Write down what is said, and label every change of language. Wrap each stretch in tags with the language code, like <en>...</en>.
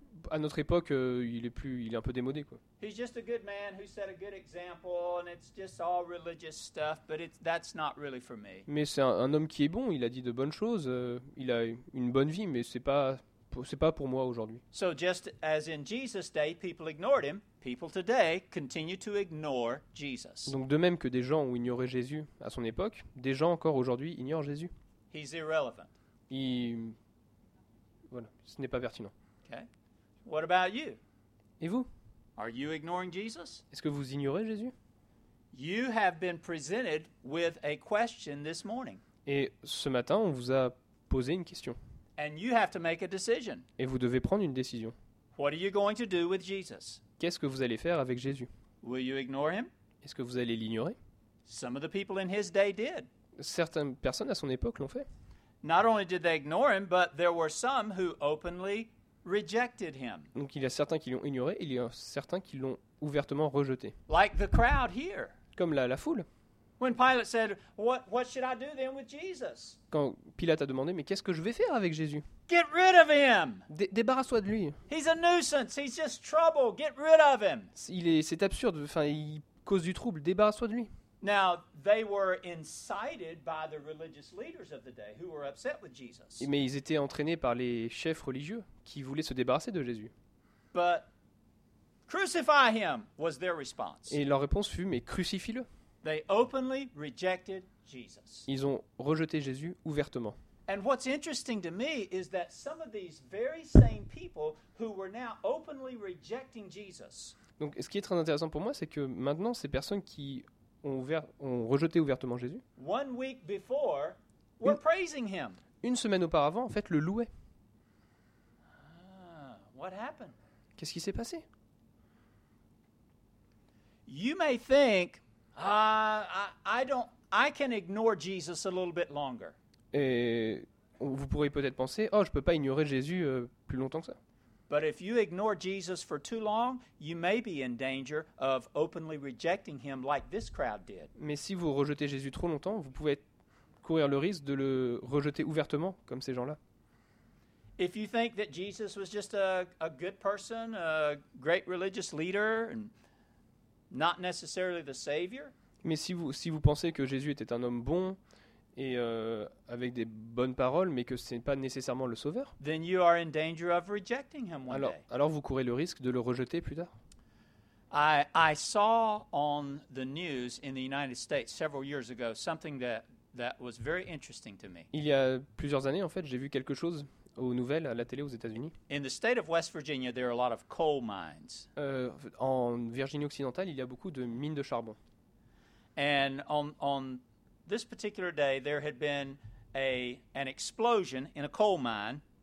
<fr>À notre époque, il est un peu démodé, quoi.</fr> <en>He's just a good man who set a good example, and it's just all religious stuff, but that's not really for me.</en> <fr>Mais c'est un homme qui est bon, il a dit de bonnes choses, il a une bonne vie, mais c'est pas pour moi aujourd'hui.</fr> <en>So just as in Jesus' day, people ignored him. People today continue to ignore Jesus.</en> <fr>Donc de même que des gens ont ignoré Jésus à son époque, des gens encore aujourd'hui ignorent Jésus.</fr> <en>He's irrelevant.</en> <fr>Voilà, ce n'est pas pertinent.</fr> <en>Okay. What about you?</en> <fr>Et vous?</fr> <en>Are you ignoring Jesus?</en> <fr>Est-ce que vous ignorez Jésus?</fr> <en>You have been presented with a question this morning.</en> <fr>Et ce matin, on vous a posé une question.</fr> <en>And you have to make a decision.</en> <fr>Et vous devez prendre une décision.</fr> <en>What are you going to do with Jesus?</en> <fr>Qu'est-ce que vous allez faire avec Jésus?</fr> <en>Will you ignore him?</en> <fr>Est-ce que vous allez l'ignorer?</fr> <en>Some of the people in his day did.</en> <fr>Certaines personnes à son époque l'ont fait.</fr> <en>Not only did they ignore him, but there were some who openly rejected him.</en> <fr>Donc il y a certains qui l'ont ignoré, il y a certains qui l'ont ouvertement rejeté.</fr> <en>Like the crowd here.</en> <fr>Comme la foule.</fr> <en>When Pilate said, what should I do then with Jesus?</en> <fr>Quand Pilate a demandé, mais qu'est-ce que je vais faire avec Jésus?</fr> <en>Get rid of him.</en> <fr>Débarrasse-toi de lui.</fr> <en>He's a nuisance. He's just trouble. Get rid of him.</en> <fr>C'est absurde. Enfin, il cause du trouble. Débarrasse-toi de lui.</fr> <en>Now, they were incited by the religious leaders of the day who were upset with Jesus.</en> <fr>Mais ils étaient entraînés par les chefs religieux qui voulaient se débarrasser de Jésus.</fr> <en>But crucify him was their response.</en> <fr>Et leur réponse fut, mais crucifie-le.</fr> <en>They openly rejected Jesus.</en> <fr>Ils ont rejeté Jésus ouvertement.</fr> <en>And what's interesting to me is that some of these very same people who were now openly rejecting Jesus.</en> <fr>Donc ce qui est très intéressant pour moi, c'est que maintenant ces personnes qui ont rejeté ouvertement Jésus.</fr> <en>One week before, were praising him.</en> <fr>Une semaine auparavant, en fait, le louaient.</fr> <en>What happened?</en> <fr>Qu'est-ce qui s'est passé?</fr> <en>You may think I can ignore Jesus a little bit longer.</en> <fr>Et vous pourriez peut-être penser, oh, je peux pas ignorer Jésus plus longtemps que ça.</fr> <en>But if you ignore Jesus for too long, you may be in danger of openly rejecting him like this crowd did.</en> <fr>Mais si vous rejetez Jésus trop longtemps, vous pouvez être courir le risque de le rejeter ouvertement, comme ces gens-là.</fr> <en>If you think that Jesus was just a good person, a great religious leader, and not necessarily the savior.</en> <fr>Mais si vous pensez que Jésus était un homme bon et avec des bonnes paroles, mais que ce n'est pas nécessairement le sauveur,</fr> <en>then you are in danger of rejecting him one</en> <fr>alors,</fr> <en>day.</en> <fr>Alors vous courez le risque de le rejeter plus tard.</fr> <en>I saw on the news in the United States several years ago something that was very interesting to me.</en> <fr>Il y a plusieurs années, en fait, j'ai vu quelque chose aux nouvelles à la télé aux États-Unis.</fr> <en>In the state of West Virginia, there are a lot of coal mines.</en> <fr>En Virginie occidentale, il y a beaucoup de mines de charbon.</fr> <en>And on this particular day, there had been an explosion in a coal mine.</en>